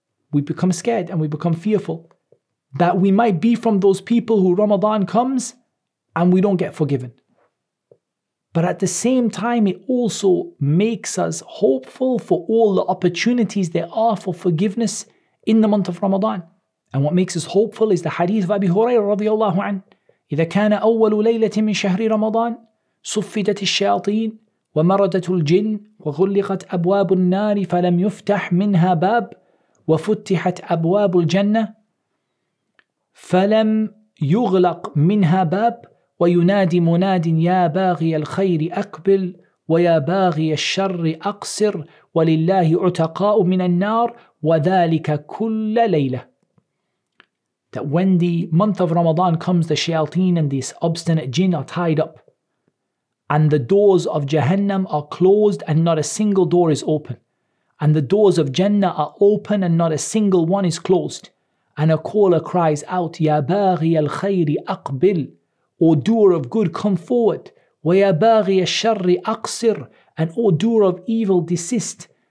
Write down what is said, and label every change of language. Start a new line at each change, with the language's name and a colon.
English: We become scared and we become fearful that we might be from those people who Ramadan comes and we don't get forgiven. But at the same time, it also makes us hopeful for all the opportunities there are for forgiveness in the month of Ramadan. And what makes us hopeful is the hadith of Abi Hurairah radiallahu anhu.
Arabic: إذا كان أول ليلة من شهر رمضان صفدت الشياطين ومردت الجن وغلقت أبواب النار فلم يفتح منها باب وفتحت أبواب الجنة فلم يغلق منها باب وينادي مناد يا باغي الخير أقبل ويا باغي الشر أقصر ولله عتقاء من النار وذلك كل ليلة.
English: That when the month of Ramadan comes, the shayateen and this obstinate jinn are tied up and the doors of Jahannam are closed and not a single door is open, and the doors of Jannah are open and not a single one is closed, and a caller cries out,
Arabic: ya baghi al-khayri aqbil,
English: O doer of good, come forward,
Arabic: wa ya baghi al-sharri aqsir,
English: and O doer of evil, desist.